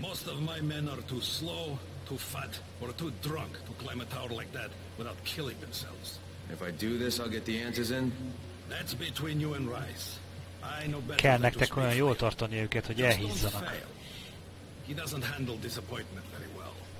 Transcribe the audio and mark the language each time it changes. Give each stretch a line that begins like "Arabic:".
English: Most of my men are too slow, too fat, or too drunk to climb a tower like that without killing themselves. If I do this, I'll get the answers in. That's between you and Ryes. I know better.
Hungarian: Kell nektek olyan jól tartani őket, hogy elhízzanak.
English: He doesn't handle disappointment very well.